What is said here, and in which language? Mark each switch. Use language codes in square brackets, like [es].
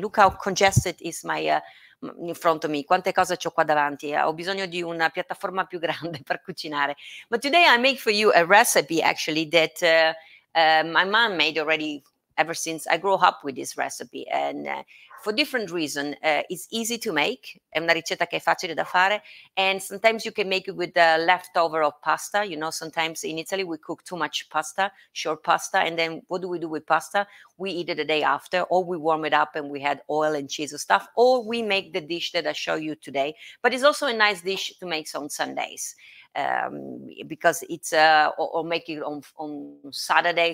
[en] Look how congested is my in front of me. [it] Quante cose c'ho qua davanti. Ho bisogno di una piattaforma più grande per cucinare. [en] But today I make for you a recipe, actually, that my mom made already ever since I grew up with this recipe. And for different reasons. It's easy to make, [it] è una ricetta che è facile da fare, [en] and sometimes you can make it with the leftover of pasta. You know, sometimes in Italy we cook too much pasta, short pasta, and then what do we do with pasta? We eat it the day after, or we warm it up and we add oil and cheese and stuff, or we make the dish that I show you today. But it's also a nice dish to make on Sundays. Because it's or make it on Saturday.